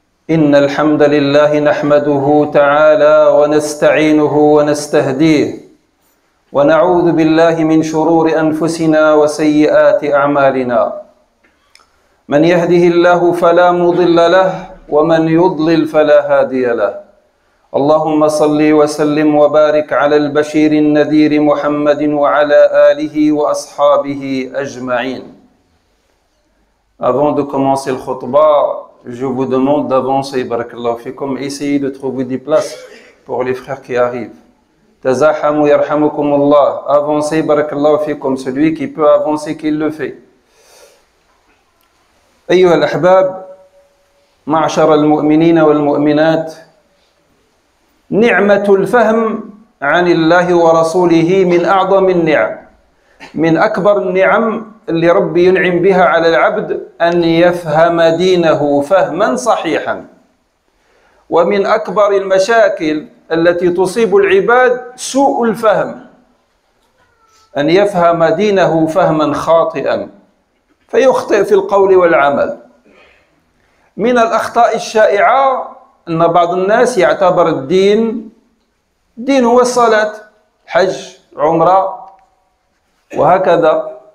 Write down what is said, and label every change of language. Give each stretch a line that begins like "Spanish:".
Arabic: إن الحمد لله نحمده تعالى ونستعينه ونستهديه ونعوذ بالله من شرور أنفسنا وسيئات أعمالنا، من يهده الله فلا مضل له ومن يضلل فلا هادي له. اللهم صلي وسلم وبارك على البشير النذير محمد وعلى آله وأصحابه أجمعين.
French: Avant de commencer le khutbah, je vous demande d'avancer,
Arabic: barakallahu fikum,
French: essayez de trouver des places pour les frères qui arrivent.
Arabic: Tazahamu yarhamukum Allah,
French: avancez,
Arabic: barakallahu fikum,
French: celui qui peut avancer, qu'il le fait.
Arabic: Ayyuha al-ahbab, ma'ashar al-mu'minina wal-mu'minat, ni'matul fahm anillahi wa rasulihi min a'dam al-ni'am, min akbar al-ni'am, اللي ربي ينعم بها على العبد أن يفهم دينه فهما صحيحا. ومن أكبر المشاكل التي تصيب العباد سوء الفهم، أن يفهم دينه فهما خاطئا فيخطئ في القول والعمل. من الأخطاء الشائعة أن بعض الناس يعتبر الدين دين هو الصلاة، حج، عمرة وهكذا،